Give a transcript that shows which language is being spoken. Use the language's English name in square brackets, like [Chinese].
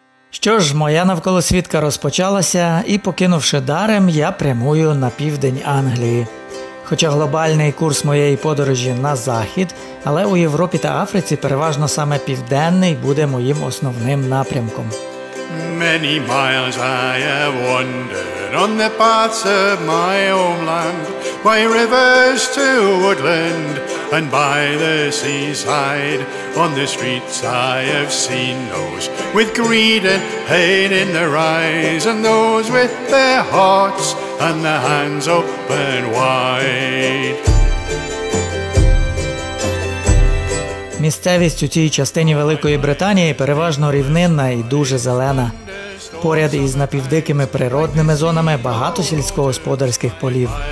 [Ukrainian] Що ж, моя навколосвітка розпочалася, і покинувши Дарем, я прямую на південь Англії. Хоча глобальний курс моєї подорожі на захід, але у Європі та Африці переважно саме південний буде моїм основним напрямком. [English] Many miles I have wandered on the paths of my homeland, by rivers to woodland and by the seaside. On the streets I have seen those with greed and pain in their eyes, and those with their hearts and their hands open wide. [Ukrainian] Місцевість у цій частині Великої Британії переважно рівнинна і дуже зелена. Поряд із напівдикими природними зонами багато сільськогосподарських полів.